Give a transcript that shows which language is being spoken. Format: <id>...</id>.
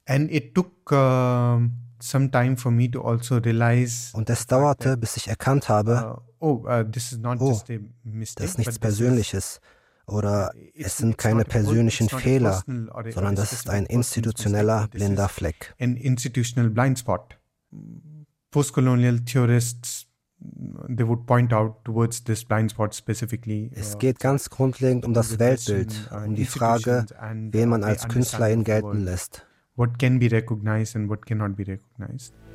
<en>And it took some time for me to also realize.</en> <de>Und es dauerte, bis ich erkannt habe, das ist nichts Persönliches oder es sind keine persönlichen Fehler, sondern das ist ein institutioneller blinder Fleck.</de> <en>An institutional blind spot. Postcolonial theorists, they would point out towards this blind spot specifically.</en> <de>Es geht ganz grundlegend um das Weltbild, um die Frage, wen man als Künstlerin gelten lässt.</de> <en>What can be recognized and what cannot be recognized.</en>